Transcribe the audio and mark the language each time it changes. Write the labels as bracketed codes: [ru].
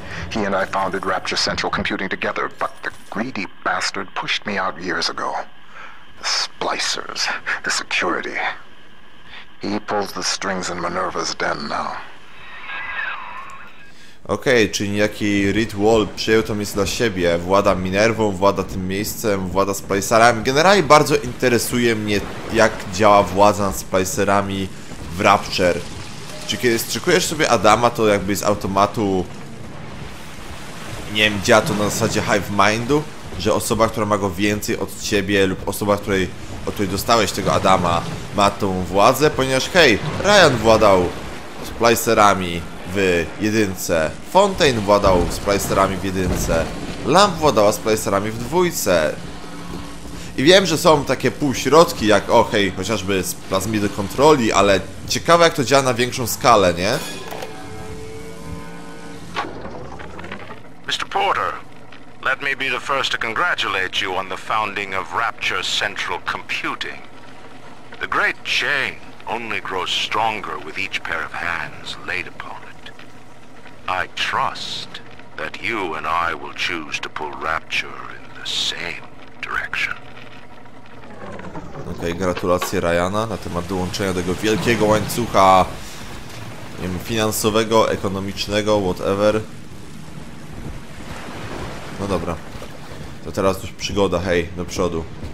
[en] He and I founded Rapture Central Computing together, but the greedy bastard pushed me out years ago. The splicers, the security. He pulls the strings in Minerva's den now. [pl] Okej, okay, czyli niejaki Reed Wall przyjął to miejsce dla siebie. Włada Minerwą, włada tym miejscem, włada splicerami. Generalnie bardzo interesuje mnie, jak działa władza nad splicerami w Rapture. Czy kiedy strzykujesz sobie Adama, to jakby z automatu... Nie wiem, działa to na zasadzie hive mindu, że osoba, która ma go więcej od ciebie lub osoba, od której dostałeś tego Adama, ma tą władzę, ponieważ hej, Ryan władał splicerami w jedynce, Fontaine władał splicerami w jedynce, Lamp władała splicerami w dwójce. I wiem, że są takie półśrodki jak, o hej, chociażby z plazmidy kontroli, ale ciekawe jak to działa na większą skalę, nie? [en] Mr. Porter, let me be the first to congratulate you on the founding of Rapture Central Computing. The great chain only grows stronger with each pair of hands laid upon it. I trust that you and I will choose to pull Rapture in the same direction. [pl] Okej, gratulacje Ryana na temat dołączenia tego wielkiego łańcucha, nie wiem, finansowego, ekonomicznego, whatever. No dobra, to teraz już przygoda, hej, do przodu.